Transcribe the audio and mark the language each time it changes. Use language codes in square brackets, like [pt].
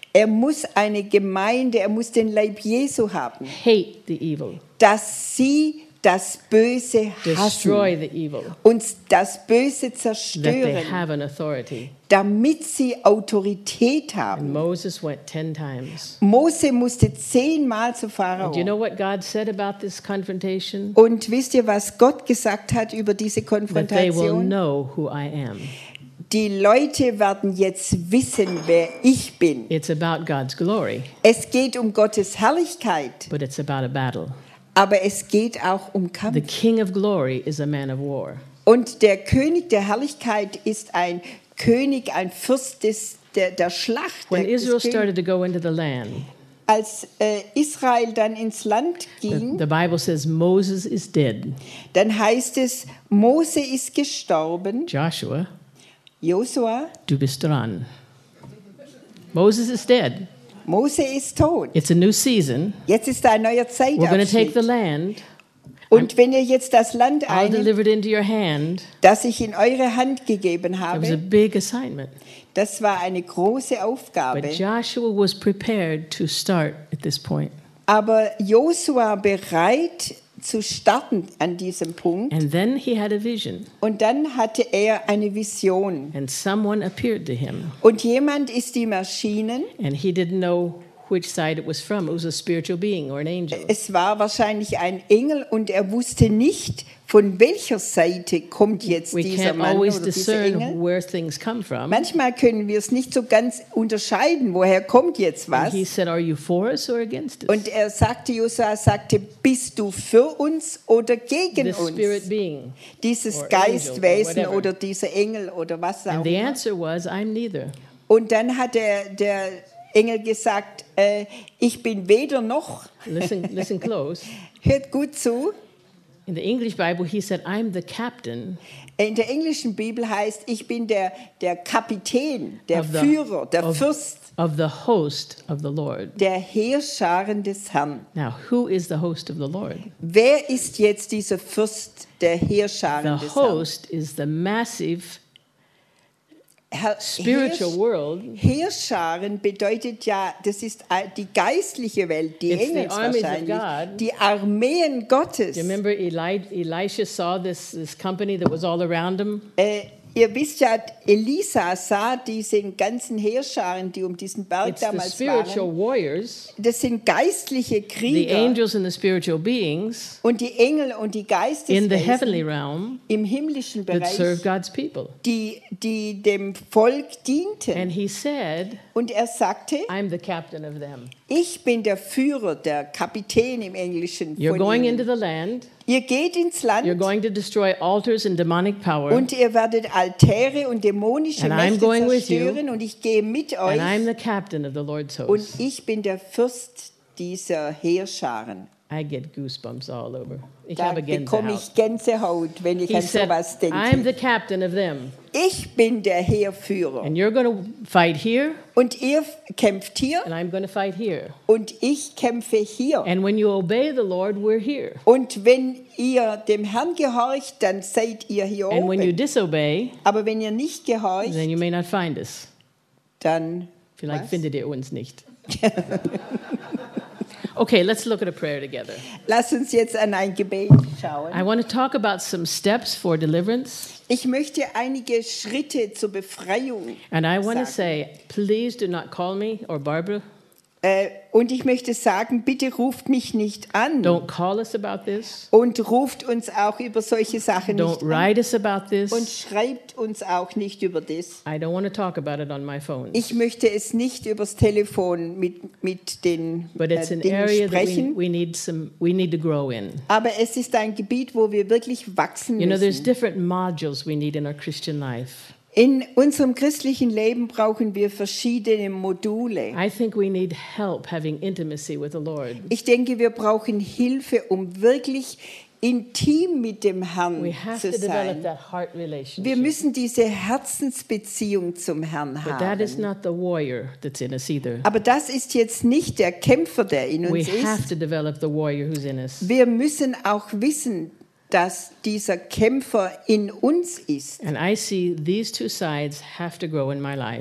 [de] Er muss eine Gemeinde, er muss den Leib Jesu haben. [en] Hate the evil. [de] Dass sie das Böse hassen, [en] the evil, [de] und das Böse zerstören, damit sie Autorität haben. [en] Moses, went 10 times. [de] Mose musste 10-mal zu Pharao. [en] Do you know what God said about this confrontation? [de] Und wisst ihr, was Gott gesagt hat über diese Konfrontation? [en] They will know who I am. [de] Die Leute werden jetzt wissen, wer ich bin. [en] It's about God's glory. [de] Es geht um Gottes Herrlichkeit. [en] But it's about a battle. [de] Aber es geht auch um Kampf. [en] The King of Glory is a man of war. [de] Und der König der Herrlichkeit ist ein König, ein Fürst der Schlacht. [en] When Israel started to go into the land, [de] als Israel dann ins Land ging, [en] the Bible says Moses is dead. [de] Dann heißt es, Mose ist gestorben. [en] Joshua, [de] du bist dran. [en] Moses is dead. [de] Mose ist tot. [en] It's a new season. [de] Jetzt ist ein neuer Zeitabschnitt. [en] We're going to take the land. [de] Und wenn ihr jetzt das Land einnimmt, [en] I'll deliver it into your hand, [de] das ich in eure Hand gegeben habe, [en] it was a big assignment. [de] Das war eine große Aufgabe. [en] But Joshua was prepared to start at this point. [de] Aber Joshua bereit zu starten an diesem Punkt. [en] And then he had a vision. [de] Und dann hatte er eine Vision. [en] And someone appeared to him. [de] Und jemand ist ihm erschienen. [en] And he didn't know which side it was from. It was a spiritual being or an angel. [de] Es war wahrscheinlich ein Engel und er wusste nicht, von welcher Seite kommt jetzt [en] we [de] dieser [en] can't [de] Mann [en] always [de] oder dieser [en] discern [de] Engel. [en] Where things come from. [de] Manchmal können wir es nicht so ganz unterscheiden, woher kommt jetzt was. [en] And he said, are you for us or against us? [de] Und er sagte, Joshua sagte, bist du für uns oder gegen [en] this [de] uns? [en] Spirit being, [de] dieses or Geistwesen angel, oder dieser Engel oder was auch [en] and [de] immer. [en] The answer was, I'm neither. [de] Und dann hat der Engel gesagt, ich bin weder noch. [en] Listen close. [de] Hört gut zu. [en] In the English Bible he said, I'm the captain. [de] In der englischen Bibel heißt, ich bin der Kapitän, der Führer, der Fürst. [en] Of the host of the Lord. [de] Der Heerscharen des Herrn. [en] Now, who is the host of the Lord? [de] Wer ist jetzt dieser Fürst der Heerscharen des Herrn? [en] The host is the massive spiritual world. [de] Heerscharen bedeutet ja, das ist die geistliche Welt, die Engel wahrscheinlich, die Armeen Gottes. [en] Do you remember Elisha saw this company that was all around him? [de] Ihr wisst ja, Elisa sah diesen ganzen Heerscharen, die um diesen Berg [en] it's [de] damals [en] the spiritual [de] waren. [en] Warriors, [de] das sind geistliche Krieger. [en] The angels and the spiritual beings, [de] und die Engel und die Geisteswesen [en] in the heavenly realm, [de] im himmlischen Bereich, [en] that serve God's people. [de] Die dem Volk dienten. [en] And he said, [de] und er sagte, [en] I'm the captain of them. [de] Ich bin der Führer, der Kapitän im Englischen. [en] You're [de] von [en] going [de] ihnen. [en] Into the land. [de] Ihr geht ins Land. [en] You're going to destroy altars and demonic power. [de] Und ihr werdet Altäre und dämonische [en] and [de] Mächte [en] I'm going [de] zerstören [en] with you, [de] und ich gehe mit euch. [en] And I'm the captain of the Lord's host. [de] Und ich bin der Fürst dieser Heerscharen. [en] I get goosebumps all over. [de] Ich da habe Gänsehaut. Bekomme ich Gänsehaut, wenn ich [en] he [de] an sowas [en] said, [de] denke. [en] I'm the captain of them. [de] Ich bin der Heerführer. [en] And you're going to fight here. [de] Und ihr kämpft hier. [en] And I'm going to fight here. [de] Und ich kämpfe hier. [en] And when you obey the Lord, we're here. [de] Und wenn ihr dem Herrn gehorcht, dann seid ihr hier [en] and [de] oben. [en] When you disobey, [de] aber wenn ihr nicht gehorcht, [en] then you may not find us. [de] Dann vielleicht was? Findet ihr uns nicht. [en] Okay, let's look at a prayer together. [de] Lass uns jetzt an ein Gebet schauen. [en] I want to talk about some steps for deliverance. [de] Ich möchte einige Schritte zur Befreiung [en] and I want [de] sagen. [en] To say, please do not call me or Barbara. [de] Und ich möchte sagen, bitte ruft mich nicht an. [en] Don't call us about this. [de] Und ruft uns auch über solche Sachen [en] don't [de] nicht [en] write Us about this. [de] Und schreibt uns auch nicht über das. [en] I don't want to talk about it on my phone. [de] Ich möchte es nicht übers Telefon mit den Dingen sprechen. Aber es ist ein Gebiet, wo wir wirklich wachsen müssen. [en] You know, there's different modules we need in our Christian life. [de] In unserem christlichen Leben brauchen wir verschiedene Module. [en] I think we need help having intimacy with the Lord. [de] Ich denke, wir brauchen Hilfe, um wirklich intim mit dem Herrn [en] we have [de] zu [en] to [de] sein. [en] Develop that heart relationship. [de] Wir müssen diese Herzensbeziehung zum Herrn haben. [en] But that is not the warrior that's in us either. [de] Aber das ist jetzt nicht der Kämpfer, der in uns [en] we [de] ist. [en] Have to develop the warrior who's in us. [de] Wir müssen auch wissen, dass dieser Kämpfer in uns ist. [en] And I see these two sides have to grow in my life.